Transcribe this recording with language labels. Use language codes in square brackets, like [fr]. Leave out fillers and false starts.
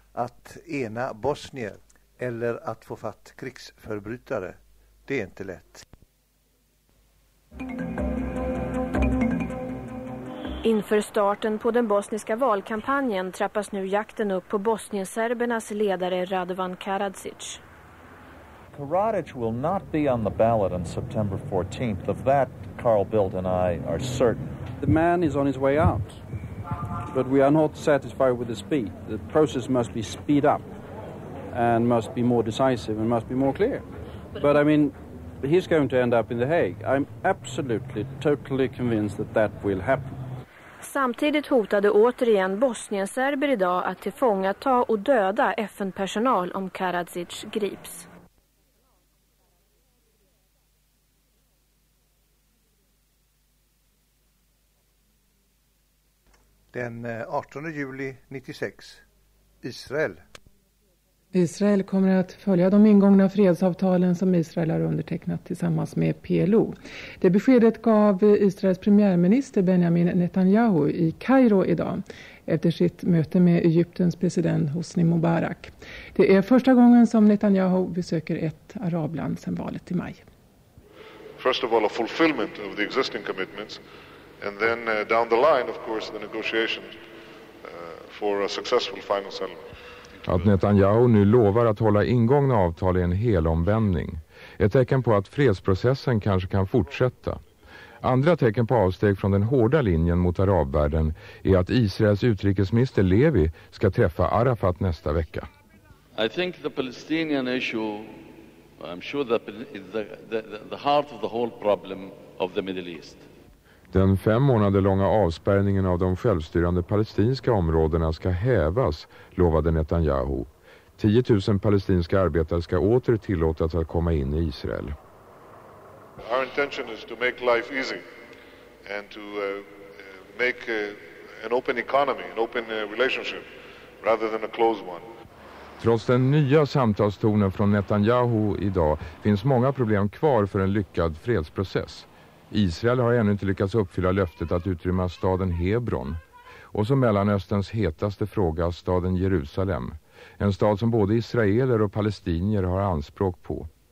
[sv] Att ena Bosnien eller att få fatt krigsförbrytare, det är inte lätt. Inför starten på den bosniska valkampanjen trappas nu jakten upp på bosnienserbernas ledare Radovan Karadzic. [en] Karadzic will not be on the ballot on September 14th. Of that, Carl Bildt and I are certain. The man is on his way out, but we are not satisfied with the speed. The process must be speed up and must be more decisive and must be more clear. But I mean, he's going to end up in The Hague. I'm absolutely, totally convinced that that will happen. [sv] Samtidigt hotade återigen bosnienserber idag att tillfångata och döda FN-personal om Karadzic grips. Den 18 juli 96. Israel. Israel kommer att följa de ingångna fredsavtalen som Israel har undertecknat tillsammans med PLO. Det beskedet gav Israels premiärminister Benjamin Netanyahu i Kairo idag efter sitt möte med Egyptens president Hosni Mubarak. Det är första gången som Netanyahu besöker ett arabland sedan valet i maj. [en] First of all, a fulfillment of the existing commitments and then down the line of course the negotiations for a successful final settlement. [sv] Att Netanyahu nu lovar att hålla ingångna avtal i en hel omvändning. Ett tecken på att fredsprocessen kanske kan fortsätta. Andra tecken på avsteg från den hårda linjen mot arabvärlden är att Israels utrikesminister Levi ska träffa Arafat nästa vecka. [en] I think the Palestinian issue, I'm sure that the heart of the whole problem of the Middle East. [sv] Den 5 månader långa avspärrningen av de självstyrande palestinska områdena ska hävas, lovade Netanyahu. 10 000 palestinska arbetare ska åter tillåtas att komma in i Israel. [en] Our intention is to make life easy and to make an open economy, an open relationship rather than a closed one. [sv] Trots den nya samtalstonen från Netanyahu idag finns många problem kvar för en lyckad fredsprocess. Israel har ännu inte lyckats uppfylla löftet att utrymma staden Hebron. Och så Mellanösterns hetaste fråga, staden Jerusalem. en stad som både israeler och palestinier har anspråk på.